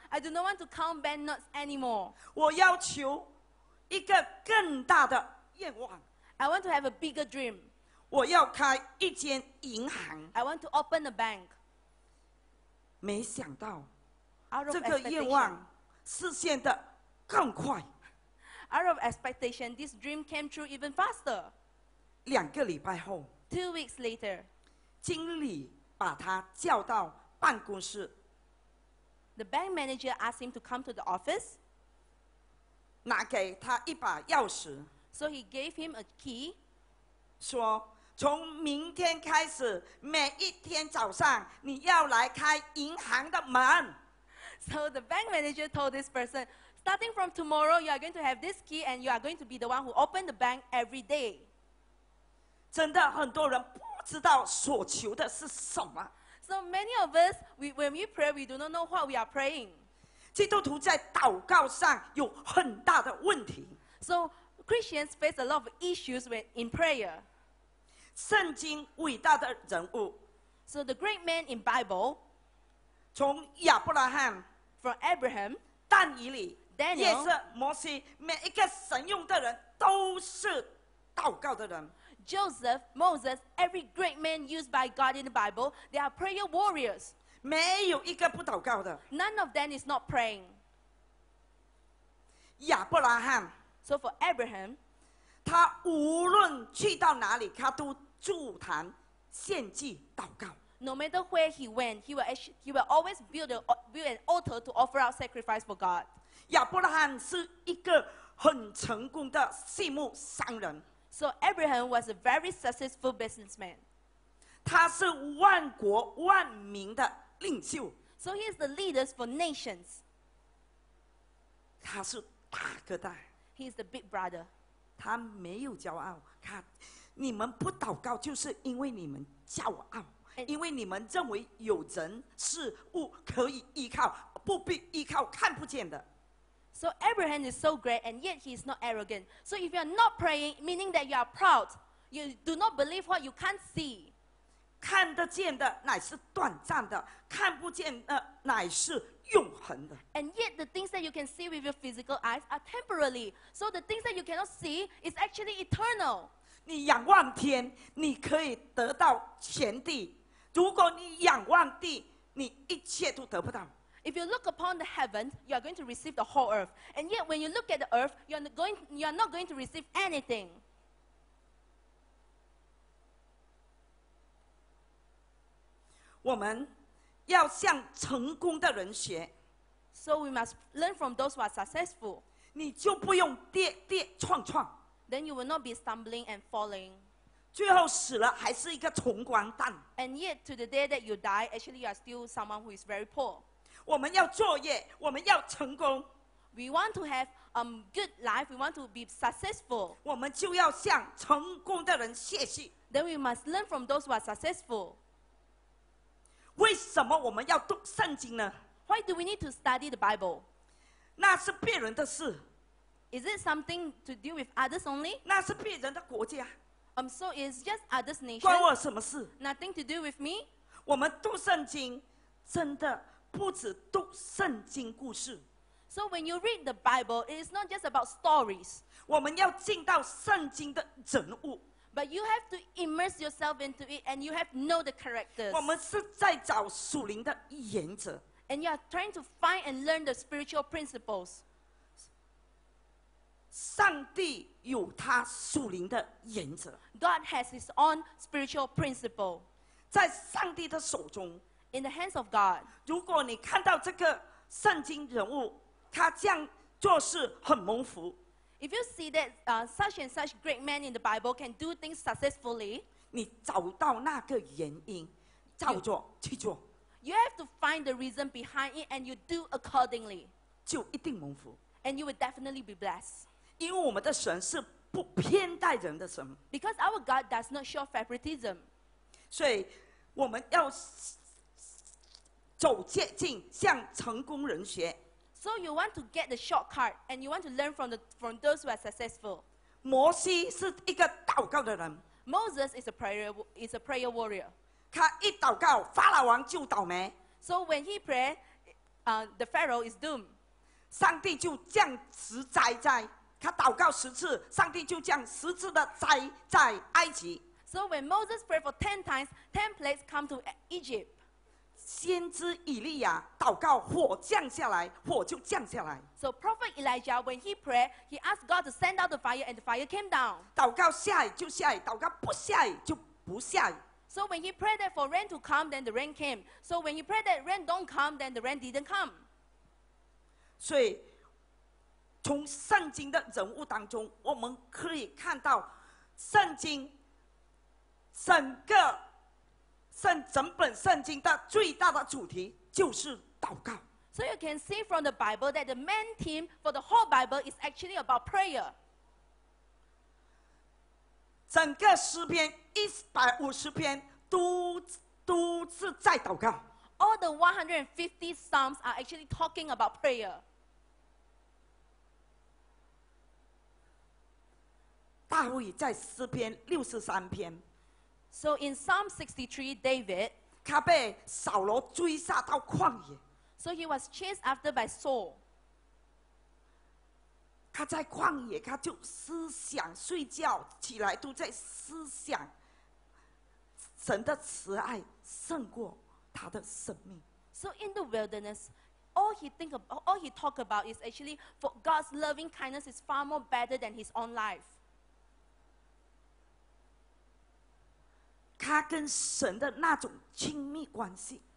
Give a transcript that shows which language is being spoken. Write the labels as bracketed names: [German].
[English] I do not want to count bank notes anymore. [Chinese] 我要求一个更大的愿望 [English] I want to have a bigger dream. [Chinese] 我要开一间银行。 [English] I want to open a bank. [Chinese] 没想到 [English] Out of [Chinese] 这个愿望实现得更快。 [English] Out of expectation, this dream came true even faster. [Chinese] 两个礼拜后 [English] Two weeks later, [Chinese] 经理把他叫到办公室。 [English] The bank manager asked him to come to the office. [Chinese] 拿给他一把钥匙。 [English] So he gave him a key. [Chinese] 说从明天开始每一天早上你要来开银行的门。 [English] So the bank manager told this person, starting from tomorrow, you are going to have this key and you are going to be the one who opens the bank every day. [Chinese] 真的很多人不知道所求的是什么。 [English] So many of us, when we pray, we do not know what we are praying. [Chinese] 基督徒在祷告上有很大的问题。 [English] So,Christians face a lot of issues in prayer. [Chinese] 圣经伟大的人物 [English] So the great man in Bible, [Chinese] 从亚伯拉罕 [English] from Abraham, [Chinese] 但以理 [English] Daniel, [Chinese] 耶稣摩西每一个神用的人都是祷告的人 [English] Joseph, Moses, every great man used by God in the Bible, they are prayer warriors. [Chinese] 没有一个不祷告的 [English] None of them is not praying. [Chinese] 亚伯拉罕 [English] So for Abraham, [Chinese] 他无论去到哪里，他都筑坛献祭祷告。 [English] No matter where he went, he will always build an altar to offer out sacrifice for God. [Chinese] 亚伯拉罕是一个很成功的畜牧商人。 [English] So Abraham was a very successful businessman. [Chinese] 他是万国万民的领袖。 [English] So he is the leader for nations. [Chinese] 他是大哥大。 [English] He is the big brother. [Chinese] 他没有骄傲。他，你们不祷告，就是因为你们骄傲，因为你们认为有人事物可以依靠，不必依靠看不见的。 [English] So Abraham is so great, and yet he is not arrogant. So if you are not praying, meaning that you are proud, you do not believe what you can't see. [Chinese] 看得见的乃是短暂的，看不见的乃是。永恒的。 [English] And yet the things that you can see with your physical eyes are temporary. So the things that you cannot see is actually eternal. [Chinese] 你仰望天，你可以得到全地。如果你仰望地，你一切都得不到。 [English] If you look upon the heavens, you are going to receive the whole earth. And yet when you look at the earth, you are not going to receive anything. [Chinese] 我们要向成功的人学 [English] So we must learn from those who are successful [Chinese] 你就不用跌跌撞撞 [English] Then you will not be stumbling and falling [Chinese] 最后死了还是一个穷光蛋 [English] And yet to the day that you die Actually you are still someone who is very poor [Chinese] 我们要作业，我们要成功。 [English] We want to have a good life. We want to be successful. [Chinese] 我们就要向成功的人学习。 [English] Then we must learn from those who are successful. [Chinese] 为什么我们要读圣经呢？ [English] Why do we need to study the Bible? [Chinese] 那是别人的事。 [English] Is it something to deal with others only? [Chinese] 那是别人的国家。 [English] So it's just others nation. [Chinese] 关我什么事？ [English] Nothing to do with me. [Chinese] 我们读圣经，真的不只读圣经故事。 [English] So when you read the Bible, it is not just about stories. [Chinese] 我们要进到圣经的人物。 [English] But you have to immerse yourself into it, and you have to know the characters. [Chinese] 我们是在找属灵的原则。 [English] And you are trying to find and learn the spiritual principles. [Chinese] 上帝有他属灵的原则。 [English] God has his own spiritual principle. [Chinese] 在上帝的手中。 [English] In the hands of God. [Chinese] 如果你看到这个圣经人物，他这样做事很蒙福。 [English] If you see that such and such great men in the Bible can do things successfully, [Chinese] 你找到那个原因，照做去做。 [English] You have to find the reason behind it, and you do accordingly. [Chinese] 就一定蒙福。 [English] And you will definitely be blessed. [Chinese] 因为我们的神是不偏待人的神。 [English] Because our God does not show favoritism. [Chinese] 所以我们要走捷径，向成功人学。 [English] So you want to get the shortcut, and you want to learn from those who are successful. [Chinese] 摩西是一个祷告的人。 [English] Moses is a prayer warrior. [Chinese] 他一祷告，法老王就倒霉。 [English] So when he prayed, the Pharaoh is doomed. [Chinese] 上帝就降十灾在他祷告十次，上帝就降十次的灾在埃及。 [English] So when Moses prayed for 10 times, 10 plagues come to Egypt. [Chinese] 先知以利亚祷告，火降下来，火就降下来。 [English] So Prophet Elijah, when he prayed, he asked God to send out the fire, and the fire came down. [Chinese] 祷告下雨就下雨，祷告不下雨就不下雨。 [English] So when he prayed that for rain to come, then the rain came. So when he prayed that rain don't come, then the rain didn't come. [Chinese] 所以，从圣经的人物当中，我们可以看到，圣经整个。整本圣经的最大的主题就是祷告。 [English] So you can see from the Bible that the main theme for the whole Bible is actually about prayer. [Chinese] 整个诗篇150篇都是在祷告。 [English] All the 150 Psalms are actually talking about prayer. [Chinese] 大卫在诗篇63篇。 [English] So in Psalm 63, David, [Chinese] 他被扫罗追杀到旷野。 [English] So he was chased after by Saul. [Chinese] 他在旷野，他就思想睡觉起来都在思想神的慈爱胜过他的生命。 [English] So in the wilderness, all he talk about is actually for God's loving kindness is far more better than his own life. [Chinese] 他跟神的那种亲密关系